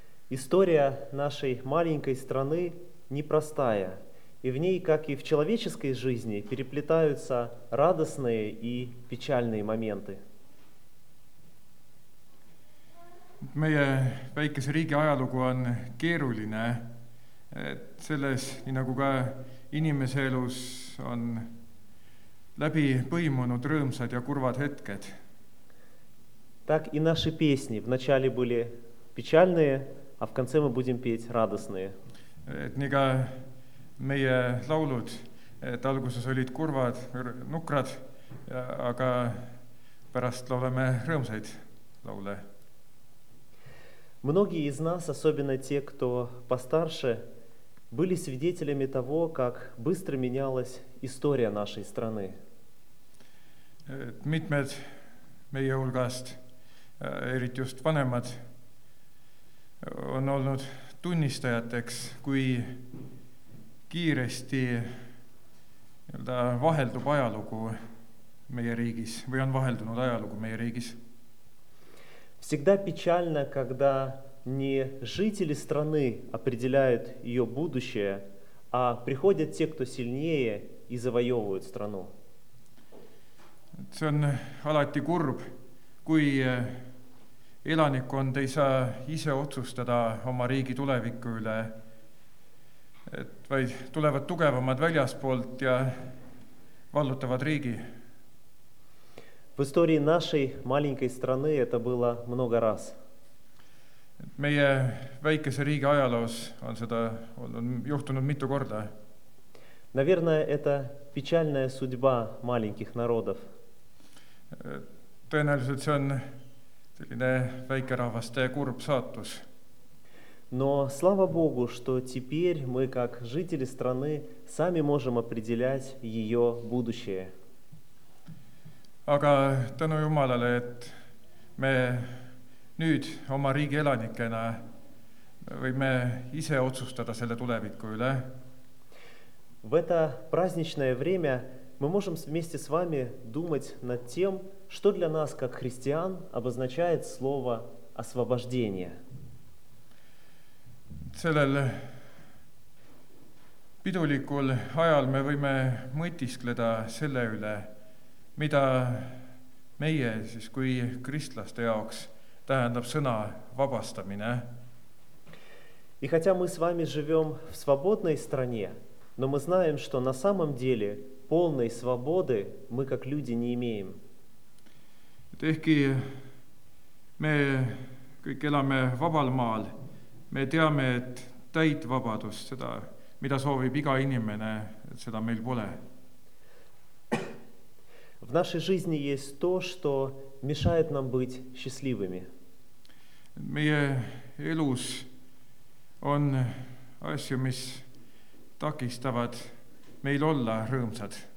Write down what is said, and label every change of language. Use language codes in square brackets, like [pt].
[ru] История нашей маленькой страны непростая, и в ней, как и в человеческой жизни, переплетаются радостные и печальные моменты. [et] Meie väikese riigi ajalugu on keeruline, et selles, nii nagu ka inimese elus, on läbi põimunud rõõmsad ja kurvad hetked. [ru] Так и наши песни вначале были печальные, а в конце мы будем петь радостные. [et] Et nii ka meie laulud, et alguses olid kurvad, nukrad, aga pärast laulame rõõmsaid laule. [ru] Многие из нас, особенно те, кто постарше, были свидетелями того, как быстро менялась история нашей страны. [et] Mitmed meie hulgast, eriti just vanemad, on olnud tunnistajateks, kui kiiresti vaheldub ajalugu meie riigis või on vaheldunud ajalugu meie riigis. [ru] Всегда печально, когда не жители страны определяют ее будущее, а приходят те, кто сильнее и завоевывают страну. [et] See on alati kurb, kui elanikond ei saa ise otsustada oma riigi tuleviku üle, et vaid tulevad tugevamad väljaspoolt ja vallutavad riigi. [ru] В истории нашей маленькой страны это было много раз. [et] Meie väikese riigi ajaloos on seda olnud juhtunud mitu korda. [ru] Наверное, это печальная судьба маленьких народов. [et] Tõenäoliselt see on selline väikerahvaste kurb saatus. [ru] Но слава Богу, что теперь мы как жители страны сами можем определять её будущее. [et] Aga tänu Jumalale, et me nüüd oma riigi elanikena võime ise otsustada selle tuleviku üle. [ru] В это праздничное время мы можем вместе с вами думать над тем, что для нас, как христиан, обозначает слово освобождение. [et] Sellel pidulikul ajal me võime mõtiskleda selle üle, mida meie siis kui kristlaste jaoks tähendab sõna vabastamine. [ru] И хотя мы с вами живем в свободной стране, но мы знаем, что на самом деле полной свободы мы как люди не имеем. [et] Ehkki me kõik elame vabal maal, me teame, et täit vabadus seda, mida soovib iga inimene, et seda meil pole. [ru] В нашей жизни есть то, что мешает нам быть счастливыми. [et] Meie elus on asju, mis takistavad meil olla rõõmsad.